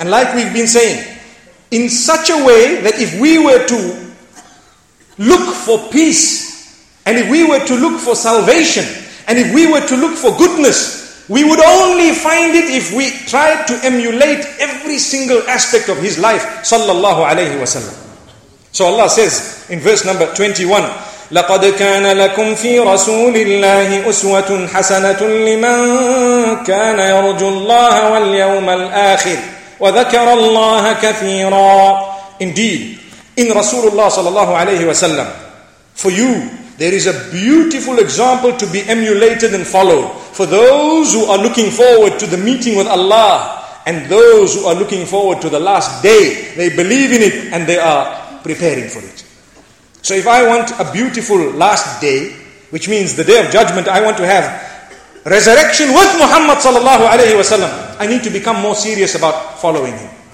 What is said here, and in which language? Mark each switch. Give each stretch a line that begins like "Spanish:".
English: And like we've been saying, in such a way that if we were to look for peace, and if we were to look for salvation, and if we were to look for goodness, we would only find it if we tried to emulate every single aspect of his life sallallahu alayhi wa sallam. So Allah says in verse number 21,
Arabic: لَقَدْ كَانَ لَكُمْ فِي رَسُولِ اللَّهِ أُسْوَةٌ حَسَنَةٌ لِمَنْ كَانَ يَرْجُ اللَّهَ وَالْيَوْمَ الْآخِرِ وَذَكَرَ اللَّهَ كَثِيرًا.
English: Indeed, in Rasulullah sallallahu alayhi wa sallam, for you, there is a beautiful example to be emulated and followed for those who are looking forward to the meeting with Allah and those who are looking forward to the last day. They believe in it and they are preparing for it. So if I want a beautiful last day, which means the day of judgment, I want to have resurrection with Muhammad sallallahu alayhi wa sallam, I need to become more serious about following him.